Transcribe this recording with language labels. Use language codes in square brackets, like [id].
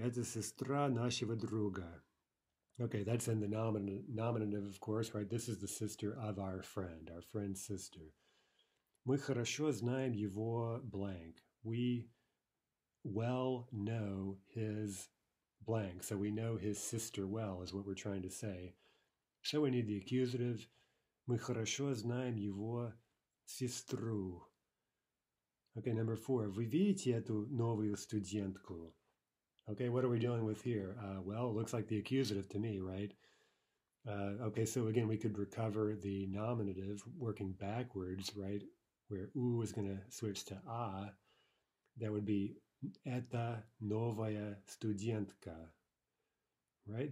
[ru] Это сестра нашего друга. [en] Okay, that's in the nominative, of course, right? This is the sister of our friend's sister. [ru] Мы хорошо знаем его [en] blank. We well know his blank. So we know his sister well, is what we're trying to say. So we need the accusative. [ru] Мы хорошо знаем его сестру. [en] Okay, number four. [ru] Вы видите эту новую студентку? [en] Okay, what are we dealing with here? Well, it looks like the accusative to me, right? Okay, so again, we could recover the nominative working backwards, right? Where u is going to switch to a. That would be [ru] эта новая студентка, [en] right?